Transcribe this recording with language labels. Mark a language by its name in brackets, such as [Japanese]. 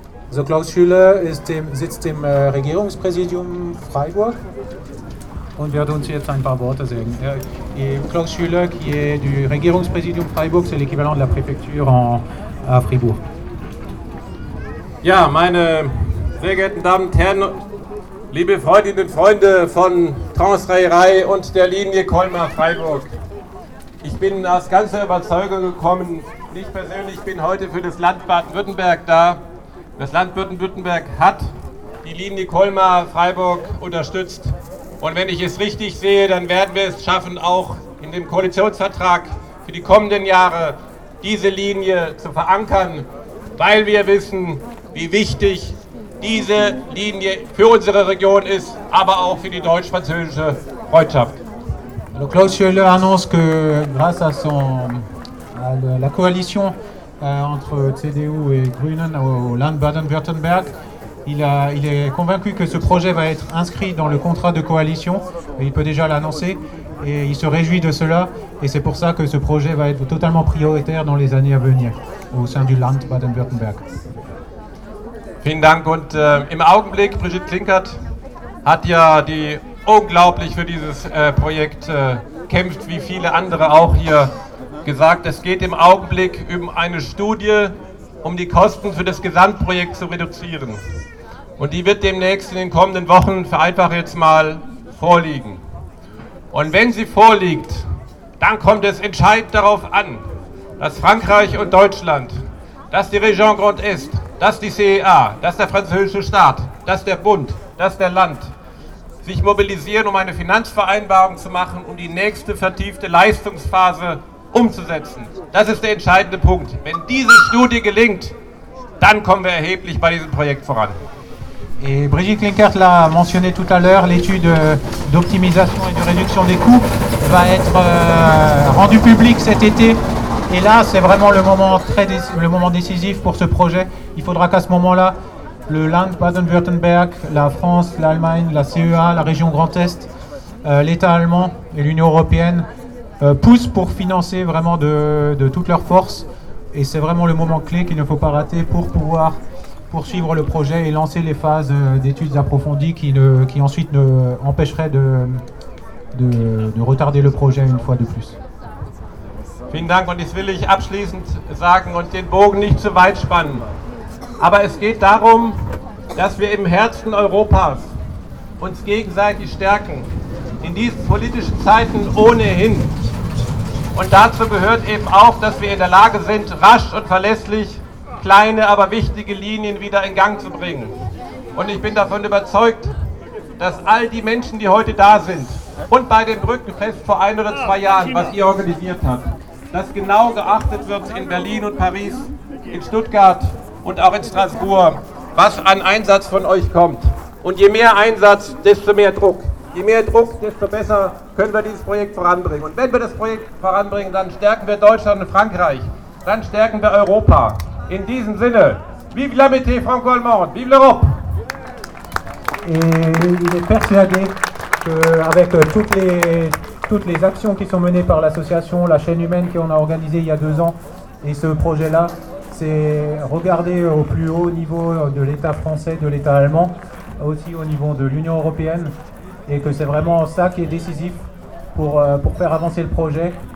[German] Also Klaus Schüler sitzt im Regierungspräsidium Freiburg und wird uns jetzt ein paar Worte sagen. [French] Klaus Schüler, qui est du Regierungspräsidium Freiburg, c'est l'équivalent de la Préfecture à Fribourg. [German] Ja, meine sehr geehrten Damen und Herren, liebe Freundinnen und Freunde von Transrailerei und der Linie Colmar-Freiburg. Ich bin aus ganzer Überzeugung gekommen, nicht persönlich, ich bin heute für das Land Baden-Württemberg da. Das Land Baden-Württemberg hat die Linie Colmar-Freiburg unterstützt. Und wenn ich es richtig sehe, dann werden wir es schaffen, auch in dem Koalitionsvertrag für die kommenden Jahre diese Linie zu verankern, weil wir wissen, wie wichtig diese Linie für unsere Region ist, aber auch für die deutsch-französische Freundschaft. [French] Donc Klaus Schüler annonce que grâce à son à la coalition entre CDU et Grünen au Land Baden-Württemberg, il est convaincu que ce projet va être inscrit dans le contrat de coalition, et il peut déjà l'annoncer, et il se réjouit de cela, et c'est pour ça que ce projet va être totalement prioritaire dans les années à venir au sein du Land Baden-Württemberg. [German] Vielen Dank und im Augenblick Brigitte Klinkert hat ja die unglaublich für dieses Projekt kämpft, wie viele andere auch hier gesagt. Es geht im Augenblick um eine Studie, um die Kosten für das Gesamtprojekt zu reduzieren. Und die wird demnächst in den kommenden Wochen, vereinfache jetzt mal, vorliegen. Und wenn sie vorliegt, dann kommt es entscheidend darauf an, dass Frankreich und Deutschland, dass die Région Grand Est, dass die CEA, dass der französische Staat, dass der Bund, dass der Land sich mobilisieren, um eine Finanzvereinbarung zu machen, um die nächste vertiefte Leistungsphase umzusetzen. Das ist der entscheidende Punkt. Wenn diese Studie gelingt, dann kommen wir erheblich bei diesem Projekt voran. [French] Et Brigitte Klinkert l'a mentionné tout à l'heure, l'étude d'optimisation et de réduction des coûts va être rendue publique cet été. Et là, c'est vraiment le moment décisif pour ce projet. Il faudra qu'à ce moment-là, le Land Baden-Württemberg, la France, l'Allemagne, la CEA, la région Grand Est, l'État allemand et l'Union européenne poussent pour financer vraiment de toutes leurs forces. Et c'est vraiment le moment clé qu'il ne faut pas rater pour pouvoir poursuivre le projet et lancer les phases d'études approfondies qui ensuite ne empêcheraient de retarder le projet une fois de plus. [German] Vielen Dank und jetzt will ich abschließend sagen und den Bogen nicht zu weit spannen. Aber es geht darum, dass wir im Herzen Europas uns gegenseitig stärken. In diesen politischen Zeiten ohnehin. Und dazu gehört eben auch, dass wir in der Lage sind, rasch und verlässlich kleine, aber wichtige Linien wieder in Gang zu bringen. Und ich bin davon überzeugt, dass all die Menschen, die heute da sind und bei dem Brückenfest vor ein oder zwei Jahren, was ihr organisiert habt, dass genau geachtet wird in Berlin und Paris, in Stuttgart und auch in Straßburg, was an Einsatz von euch kommt. Und je mehr Einsatz, desto mehr Druck. Je mehr Druck, desto besser können wir dieses Projekt voranbringen. Und wenn wir das Projekt voranbringen, dann stärken wir Deutschland und Frankreich. Dann stärken wir Europa. In diesem Sinne, [French] vive l'amitié franco-allemande, vive l'Europe! Et il est persuadé que avec toutes les actions qui sont menées par l'association, la chaîne humaine qu'on a organisée il y a deux ans, et ce projet-là, c'est regarder au plus haut niveau de l'État français, de l'État allemand, aussi au niveau de l'Union européenne, et que c'est vraiment ça qui est décisif pour faire avancer le projet.